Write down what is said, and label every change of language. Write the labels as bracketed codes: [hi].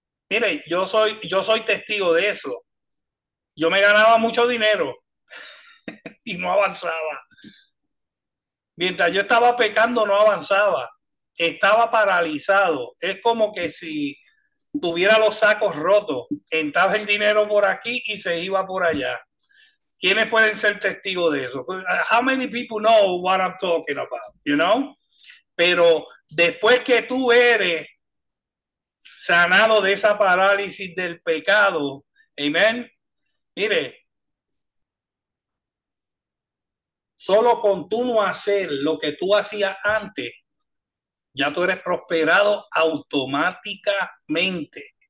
[es] Mire, yo soy testigo de eso. Yo me ganaba mucho dinero y no avanzaba. Mientras yo estaba pecando, no avanzaba. Estaba paralizado. Es como que si tuviera los sacos rotos, entraba el dinero por aquí y se iba por allá. ¿Quiénes pueden ser testigos de eso? [en] How many people know what I'm talking about? You know? [es] Pero después que tú eres sanado de esa parálisis del pecado, amén. Mire, solo con tú no hacer lo que tú hacías antes, ya tú eres prosperado automáticamente.